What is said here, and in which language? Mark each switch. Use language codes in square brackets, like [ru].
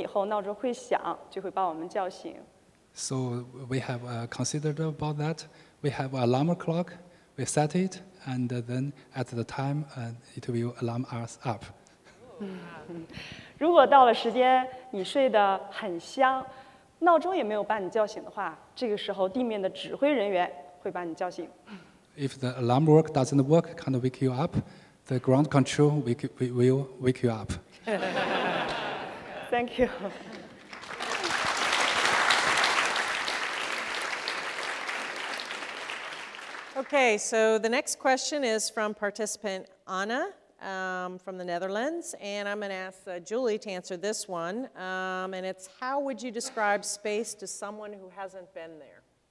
[zh] 这个问题呢，我们地面人员也想到了，所以说这次我们上去的时候，专门给我们配了一个闹钟，我们在上面可以定时，到了时间以后，闹钟会响，就会把我们叫醒。 [en] So we have considered about that. We have an alarm clock. We set it, and then at the time, it will alarm us up. [zh] 如果到了时间，你睡得很香，闹钟也没有把你叫醒的话，这个时候地面的指挥人员会把你叫醒。 [en] If the alarm work doesn't work, can't wake you up, the ground control will wake you up. Thank you. Okay, so the next question is from participant Anna from the Netherlands, and I'm going to ask Julie to answer this one, and it's, how would you describe space to someone who hasn't been there?